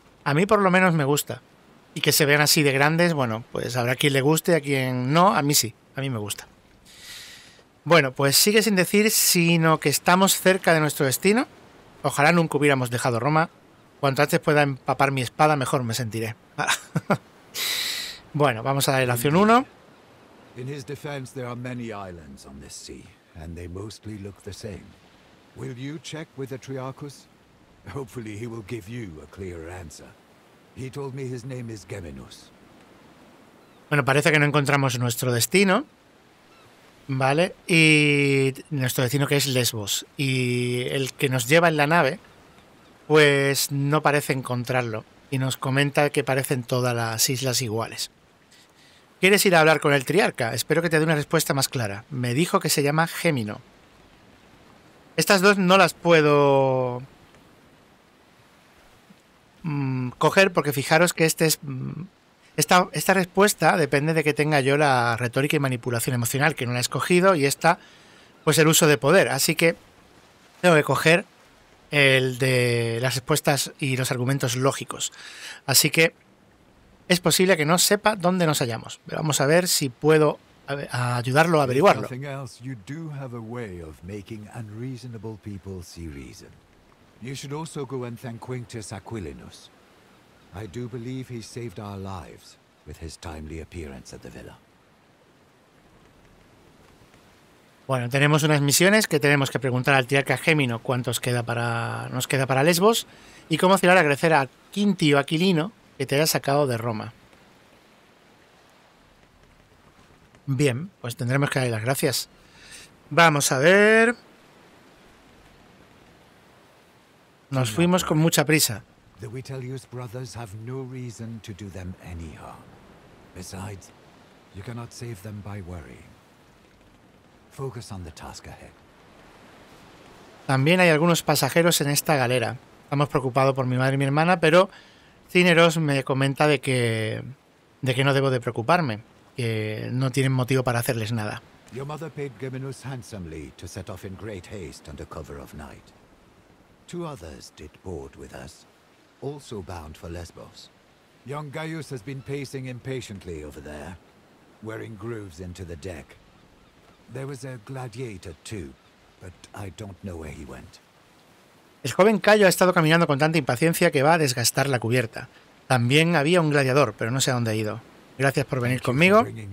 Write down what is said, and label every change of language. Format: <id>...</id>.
<es>A mí por lo menos me gusta. Y que se vean así de grandes, bueno, pues habrá quien le guste, a quien no, a mí sí, a mí me gusta. Bueno, pues sigue sin decir sino que estamos cerca de nuestro destino. Ojalá nunca hubiéramos dejado Roma. Cuanto antes pueda empapar mi espada, mejor me sentiré. Bueno, vamos a darle la opción 1.</es> <en>In his defense, there are many islands on this sea, and they mostly look the same. Will you check with the Triarchus? Hopefully he will give you a clearer answer. He told me his name is Geminus.</en> <es>Bueno, parece que no encontramos nuestro destino, ¿vale? Y nuestro destino que es Lesbos. Y el que nos lleva en la nave, pues no parece encontrarlo. Y nos comenta que parecen todas las islas iguales. ¿Quieres ir a hablar con el Triarca? Espero que te dé una respuesta más clara. Me dijo que se llama Gémino. Estas dos no las puedo coger porque fijaros que esta respuesta depende de que tenga yo la retórica y manipulación emocional, que no la he escogido, y esta, pues el uso de poder. Así que tengo que coger el de las respuestas y los argumentos lógicos. Así que es posible que no sepa dónde nos hallamos, pero vamos a ver si puedo ayudarlo a averiguarlo. Si no hay nada más,</es> <en>you do have a way of making unreasonable people see reason. You should also go and thank Quinctus Aquilinus. I do believe he saved our lives with his timely appearance at the villa.</en> <es>Bueno, tenemos unas misiones que tenemos que preguntar al Triarca Gémino cuántos queda para nos queda para Lesbos y cómo hacer agradecer a Quintio Aquilino que te haya sacado de Roma. Bien, pues tendremos que darle las gracias. Vamos a ver. Nos fuimos con mucha prisa.</es> <en>The Vitellius brothers have no reason to do them any harm. Besides, you cannot save them by worrying. Focus on the task ahead.</en> <es>También hay algunos pasajeros en esta galera. Estamos preocupados por mi madre y mi hermana, pero Cineros me comenta de que no debo de preocuparme, que no tienen motivo para hacerles nada.</es> <en>Your mother paid Geminus handsomely to set off in great haste under cover of night. Two others did board with us, also bound for Lesbos. Young Gaius has been pacing impatiently over there, wearing grooves into the deck. There was a gladiator too, but I don't know where he went.</en> <es>El joven Cayo ha estado caminando con tanta impaciencia que va a desgastar la cubierta. También había un gladiador, pero no sé a dónde ha ido. Gracias por venir conmigo.</es>